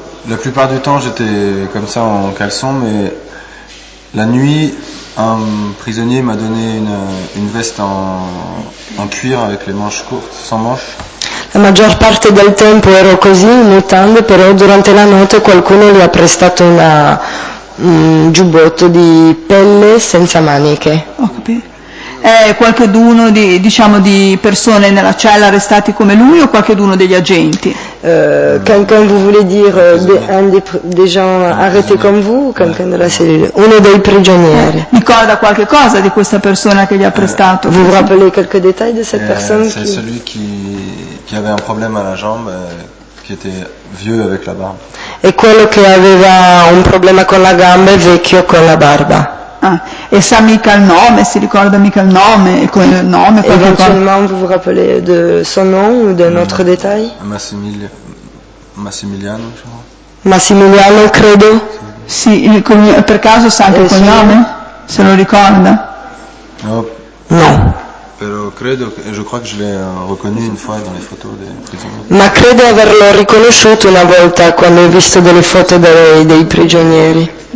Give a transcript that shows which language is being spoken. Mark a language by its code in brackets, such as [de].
[fr] La plupart du temps, j'étais comme ça en caleçon, mais la nuit, un prisonnier m'a donné une veste en cuir avec les manches courtes, sans manches. [it] La maggior parte del tempo ero così, in mutande, però durante la notte qualcuno gli ha prestato una giubbotto di pelle senza maniche. Ho capito. Qualcheduno di, diciamo, di persone nella cella arrestati come lui o qualcheduno degli agenti? [fr] Quelqu'un, vous voulez dire, un des gens arrêtés comme vous, quelqu'un della cellule, [it] uno dei prigionieri. Ricorda qualche cosa di questa persona che gli ha prestato? [fr] Vous vous rappelez quelques détails de cette personne? C'est celui qui avait un problème à la jambe, qui était vieux avec la barbe. [it] E quello che aveva un problema con la gamba e vecchio con la barba. Ah, e sa mica il nome, si ricorda mica il nome, con il nome, eventualmente [fr] vous vous rappelez de son nom ou d'un autre détail? [it] Massimiliano, Massimiliano, credo. Sì, per caso sa anche il cognome? Se lo ricorda? No. No. Però credo, [fr] je crois que je l'ai reconnu une fois dans les photos des prisonniers. [it] Ma credo averlo riconosciuto una volta quando ho visto delle foto dei prigionieri.